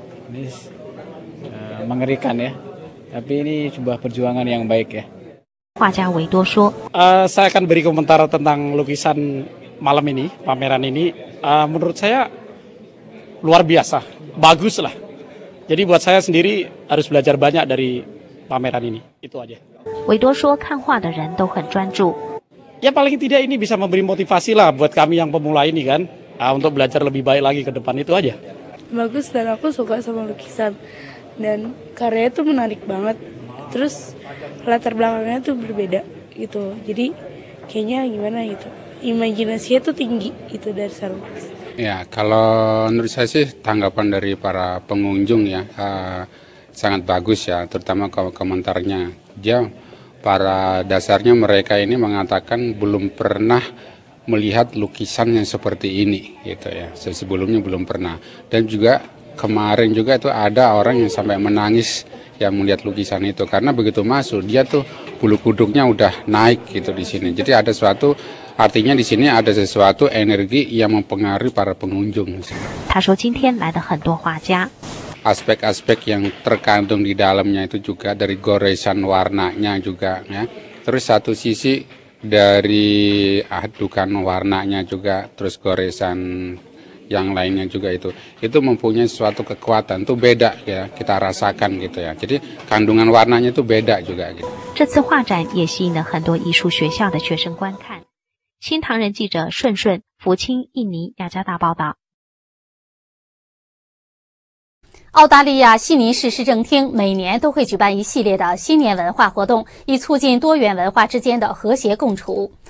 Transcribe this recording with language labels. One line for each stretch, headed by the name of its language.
Indonesian: Ini mengerikan ya, tapi ini sebuah perjuangan yang baik ya.
Chinese: 画家维多说
Indonesian: saya akan beri komentar tentang lukisan malam ini, pameran ini. Menurut saya luar biasa, bagus lah. Jadi buat saya sendiri harus belajar banyak dari pameran ini. Itu aja.
Chinese: 维多说看画的人都很专注。
Indonesian: Ya paling tidak ini bisa memberi motivasi lah buat kami yang pemula ini kan, untuk belajar lebih baik lagi ke depan itu aja. Bagus dan aku suka sama lukisan dan karyanya tuh menarik banget. Terus latar belakangnya tuh berbeda gitu. Jadi kayaknya gimana gitu. Imajinasinya tuh tinggi itu dari sarung. Ya kalau menurut saya sih tanggapan dari para pengunjung ya sangat bagus ya, terutama komentarnya. Ya, pada dasarnya mereka ini mengatakan belum pernah melihat lukisan yang seperti ini, gitu ya. Sebelumnya belum pernah. Dan juga kemarin juga itu ada orang yang sampai menangis yang melihat lukisan itu karena begitu masuk dia tuh bulu kuduknya udah naik gitu di sini. Jadi ada suatu artinya di sini ada sesuatu energi yang mempengaruhi para pengunjung.
Chinese: 他说今天来的很多画家。
Indonesian: Aspek-aspek yang terkandung di dalamnya itu juga dari goresan warnanya juga ya. Terus satu sisi dari adukan warnanya juga, terus goresan yang lainnya juga itu mempunyai suatu kekuatan, itu beda ya, kita rasakan gitu ya. Jadi kandungan warnanya itu beda juga gitu.
Chinese: 这次画展也吸引了很多艺术学校的学生观看。新唐人记者顺顺、福清、印尼、雅加达报道。澳大利亚悉尼市市政厅每年都会举办一系列的新年文化活动，以促进多元文化之间的和谐共处。